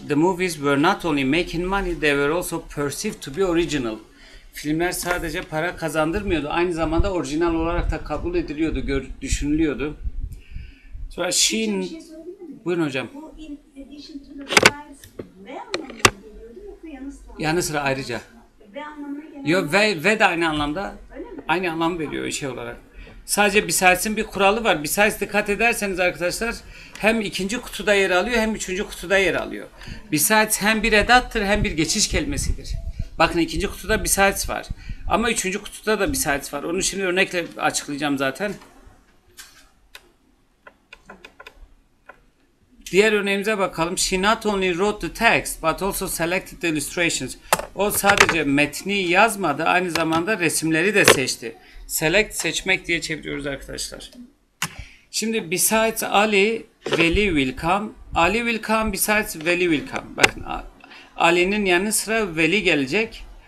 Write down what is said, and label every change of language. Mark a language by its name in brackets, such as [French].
[English] The movies were not only making money, they were also perceived to be original. [Turkish] Filmler sadece para kazandırmıyordu. Aynı zamanda orijinal olarak da kabul ediliyordu, düşünülüyordu. Sonra şey söyleyeyim mi? Buyurun hocam. [English] Bu in addition to, besides, [Turkish] yanı sıra ayrıca. Ve anlamına geliyor. Ve de aynı anlamda. Aynı anlamı veriyor şey olarak. Sadece besides'in bir kuralı var. Besides dikkat ederseniz arkadaşlar hem ikinci kutuda yer alıyor hem üçüncü kutuda yer alıyor. Besides hem bir edattır hem bir geçiş kelimesidir. Bakın ikinci kutuda besides var. Ama üçüncü kutuda da besides var. Onu şimdi örnekle açıklayacağım zaten. Diğer örneğimize bakalım. [English] She not only wrote the text but also selected the illustrations. [Turkish] O sadece metni yazmadı, aynı zamanda resimleri de seçti. Select, seçmek diye çeviriyoruz arkadaşlar. Şimdi [English] besides Ali, Veli will come. Ali will come, besides Veli will come. [Turkish] Bakın Ali'nin yanı sıra Veli gelecek.